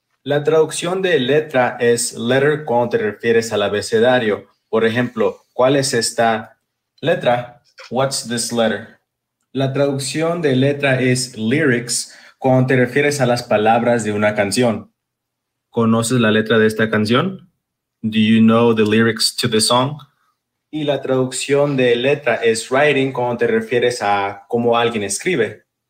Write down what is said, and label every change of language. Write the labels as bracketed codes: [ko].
[es] La traducción de letra es letter cuando te refieres al abecedario. Por ejemplo, ¿cuál es esta letra? [en] What's this letter? [es] La traducción de letra es lyrics cuando te refieres a las palabras de una canción. ¿Conoces la letra de esta canción? [en] Do you know the lyrics to the song? [es] Y la traducción de letra es writing cuando te refieres a cómo alguien escribe.